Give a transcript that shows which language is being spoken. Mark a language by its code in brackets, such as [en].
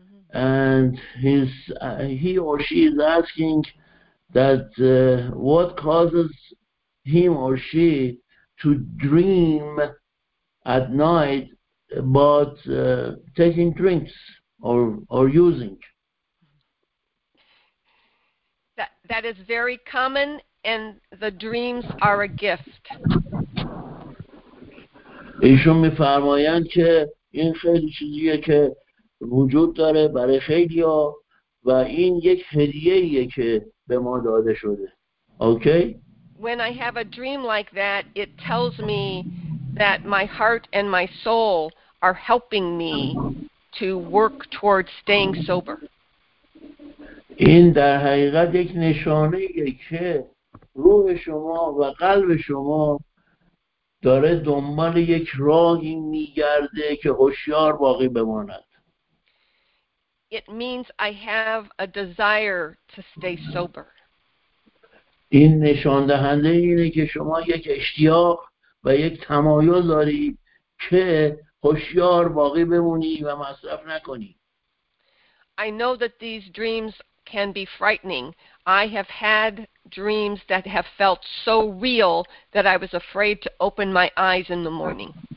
[en] And he or she is asking that what causes him or she to dream at night about taking drinks or using. That is very common, and the dreams are a gift. [fa] ایشون میفرمایند که این خیلی چیزیه که وجود داره برای خیلی ها و این یک هدیه‌ایه که به ما داده شده. [en] Okay? When I have a dream like that, it tells me that my heart and my soul are helping me to work towards staying sober. [fa] این در حقیقت یک نشانه‌ایه که روح شما و قلب شما داره دنبال یک راهی میگرده که هوشیار باقی بماند. [en] It means I have a desire to stay sober. [fa] این نشان دهنده اینه که شما یک اشتیاق و یک تمایل داری که هوشیار باقی بمونی و مصرف نکنی. [en] I know that these dreams can be frightening. I have had dreams that have felt so real that I was afraid to open my eyes in the morning.